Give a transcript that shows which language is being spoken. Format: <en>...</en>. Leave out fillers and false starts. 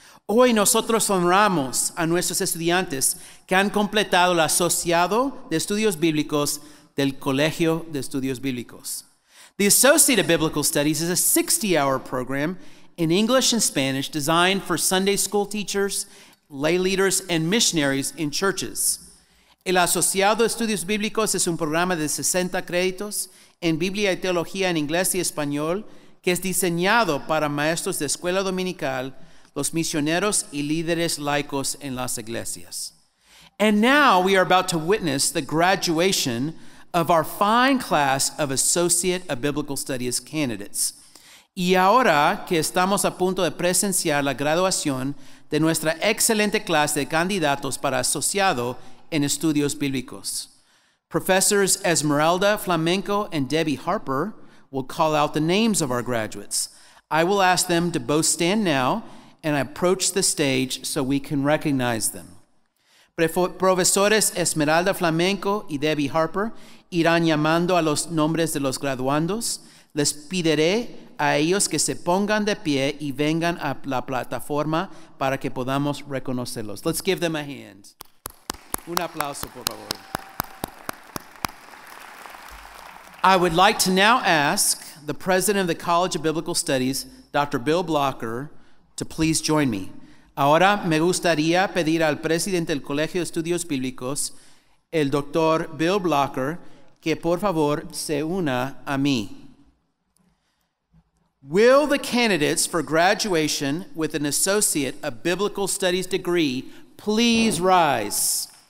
<es>Hoy, nosotros honramos a nuestros estudiantes que han completado el Asociado de Estudios Bíblicos del Colegio de Estudios Bíblicos.</es> <en>The Associate of Biblical Studies is a 60-hour program in English and Spanish designed for Sunday school teachers, lay leaders, and missionaries in churches.</en> <es>El Asociado de Estudios Bíblicos es un programa de 60 créditos en Biblia y Teología en inglés y español que es diseñado para maestros de escuela dominical, los misioneros y líderes laicos en las iglesias.</es> <en>And now we are about to witness the graduation of our fine class of Associate of Biblical Studies candidates.</en> <es>Y ahora que estamos a punto de presenciar la graduación de nuestra excelente clase de candidatos para asociado en estudios bíblicos.</es> <en>Professors Esmeralda Flamenco and Debbie Harper will call out the names of our graduates. I will ask them to both stand now and approach the stage so we can recognize them.</en> <es>Profesores Esmeralda Flamenco y Debbie Harper irán llamando a los nombres de los graduandos. Les pediré a ellos que se pongan de pie y vengan a la plataforma para que podamos reconocerlos.</es> <en>Let's give them a hand.</en> <es>Un aplauso, por favor.</es> <en>I would like to now ask the president of the College of Biblical Studies, Dr. Bill Blocker, to please join me.</en> <es>Ahora me gustaría pedir al presidente del Colegio de Estudios Bíblicos, el Dr. Bill Blocker, que por favor se una a mí.</es> <en>Will the candidates for graduation with an Associate of Biblical Studies degree please rise?</en>